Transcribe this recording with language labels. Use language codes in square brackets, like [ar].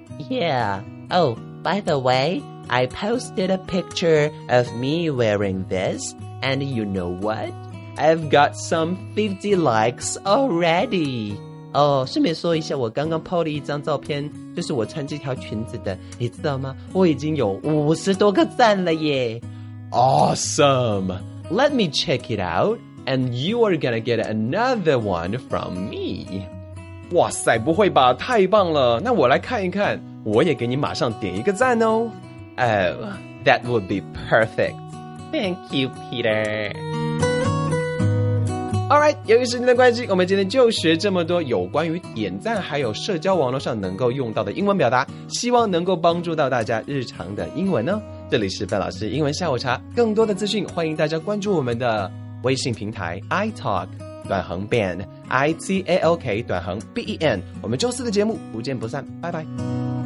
[en] Yeah. Oh, by the way, I posted a picture of me wearing this, and you know what? I've got some 50 likes already. [zh] 哦，顺便说一下，我刚刚 po 了一张照片，就是我穿这条裙子的，你知道吗？我已经有50多个赞了耶。 [en] Awesome! Let me check it out, and you are gonna get another one from me. [zh] 哇塞，不会吧，太棒了，那我来看一看，我也给你马上点一个赞哦。 [en] Oh, that would be perfect. Thank you, Peter. [zh] Alright, 由于时间的关系，我们今天就学这么多有关于点赞还有社交网络上能够用到的英文表达，希望能够帮助到大家日常的英文哦。这里是范老师英文下午茶，更多的资讯欢迎大家关注我们的微信平台 iTalk 短横 BEN I-T-A-L-K 短横 B-E-N。 我们周四的节目不见不散，拜拜。